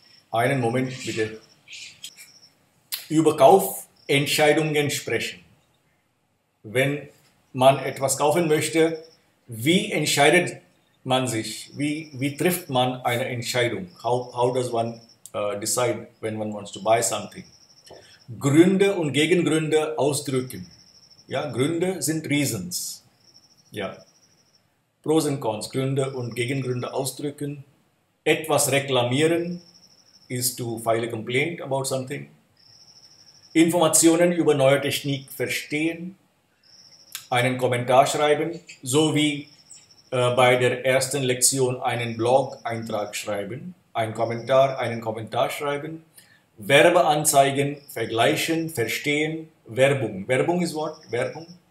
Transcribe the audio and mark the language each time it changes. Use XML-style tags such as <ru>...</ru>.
<de>Einen Moment bitte. Über Kaufentscheidungen sprechen. Wenn man etwas kaufen möchte, wie entscheidet man sich, wie trifft man eine Entscheidung?</de> <en>How does one decide when one wants to buy something?</en> <de>Gründe und Gegengründe ausdrücken. Ja, Gründe sind Reasons. Ja.</de> <en>Pros and Cons,</en> <de>Gründe und Gegengründe ausdrücken. Etwas reklamieren</de> <en>is to file a complaint about something.</en> <de>Informationen über neue Technik verstehen. Einen Kommentar schreiben, so wie bei der ersten Lektion einen Blog-Eintrag schreiben, einen Kommentar schreiben, Werbeanzeigen vergleichen, verstehen, Werbung. Werbung ist was? Werbung?</de>